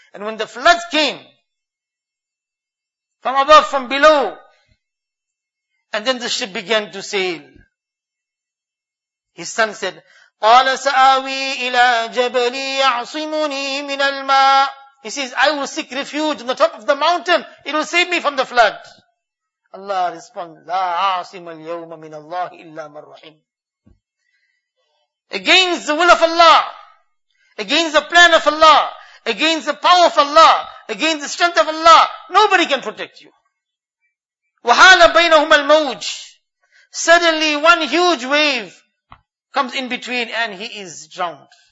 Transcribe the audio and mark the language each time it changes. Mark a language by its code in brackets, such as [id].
[en] And when the floods came, from above, from below, and then the ship began to sail, his son said, [ar] قَالَ سَآوِي إِلَىٰ جَبَلِي يَعْصِمُنِي مِنَ الْمَاءِ. [en] He says, I will seek refuge on the top of the mountain. It will save me from the flood. Allah responds, [ar] لَا عَاصِمَ الْيَوْمَ مِنَ اللَّهِ إِلَّا مَنْ رَحِيمٌ. [en] Against the will of Allah, against the plan of Allah, against the power of Allah, against the strength of Allah, nobody can protect you. [ar] وَحَالَ بَيْنَهُمَ الْمَوْجِ. [en] Suddenly one huge wave comes in between and he is drowned.